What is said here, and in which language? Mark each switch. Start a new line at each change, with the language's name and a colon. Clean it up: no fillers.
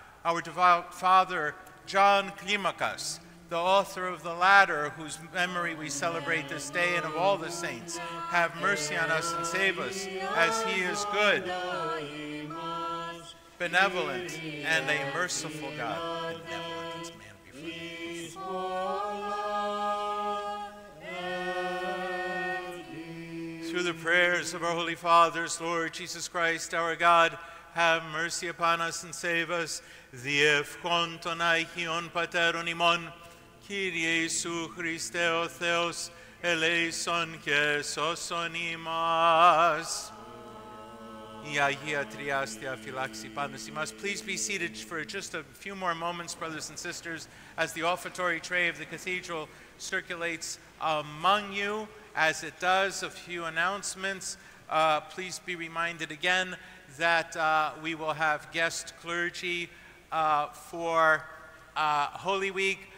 English: our devout father, John Climacus, the author of the latter, whose memory we celebrate this day, and of all the saints, have mercy on us and save us, as he is good, benevolent, and a merciful God. Benevolent as man before thee. Through the prayers of our holy fathers, Lord Jesus Christ, our God, have mercy upon us and save us.
Greek: The ευχόντων αγίων πατέρων ημών, Κύριε Ιησού Χριστέ ο Θεός, ελέησον και σώσον ημάς.
English: Please be seated for just a few more moments, brothers and sisters, as the offertory tray of the cathedral circulates among you, as it does. A few announcements. Please be reminded again that we will have guest clergy for Holy Week.